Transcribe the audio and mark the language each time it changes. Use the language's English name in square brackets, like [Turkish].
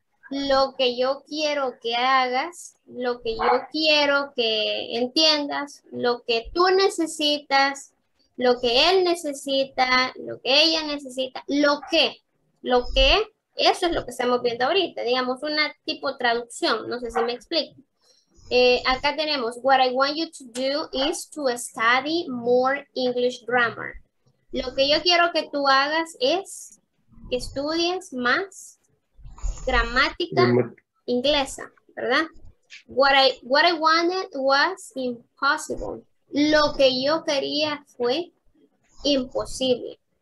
[Spanish] lo que yo quiero que hagas, lo que yo quiero que entiendas, lo que tú necesitas, lo que él necesita, lo que ella necesita, lo que, eso es lo que estamos viendo ahorita, digamos, una tipo traducción, no sé si me explico. Acá tenemos, [English] what I want you to do is to study more English grammar. [Spanish] Lo que yo quiero que tú hagas es que estudies más gramática inglesa, ¿verdad? [English] What I wanted was impossible. [Spanish] Lo que yo quería fue imposible.